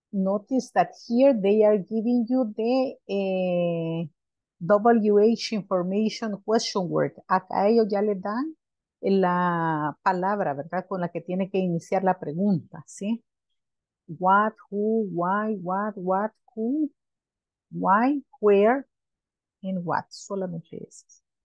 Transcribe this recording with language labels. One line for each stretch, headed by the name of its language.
English: Notice that here they are giving you the WH information question word.
Spanish: Acá ellos ya le dan la palabra, ¿verdad? Con la que tiene que iniciar la pregunta, ¿sí?
English: What, who, why, what, who, why, where, and what.
Spanish: Solamente esas.